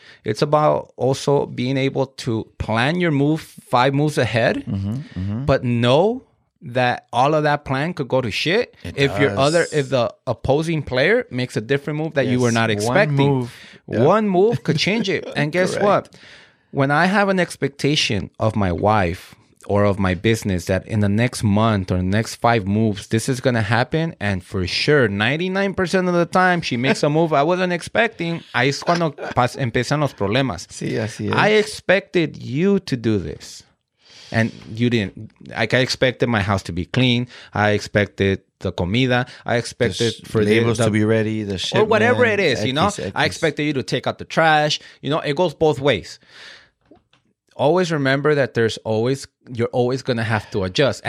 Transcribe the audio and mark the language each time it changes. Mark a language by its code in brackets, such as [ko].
[en] It's about also being able to plan your move 5 moves ahead, but know that all of that plan could go to shit if the opposing player makes a different move that you were not expecting. One move could change it. And guess what? When I have an expectation of my wife or of my business that in the next month or the next 5 moves, this is going to happen. And for sure, 99% of the time, she makes a move I wasn't expecting. [es] Ahí es cuando empiezan los problemas. Sí, así es. [en] I expected you to do this. And you didn't. Like, I expected my house to be clean. I expected the comida. I expected for the labels to be ready. The shit. Or whatever it is, you know. I expected you to take out the trash. You know, it goes both ways. Always remember that you're always going to have to adjust.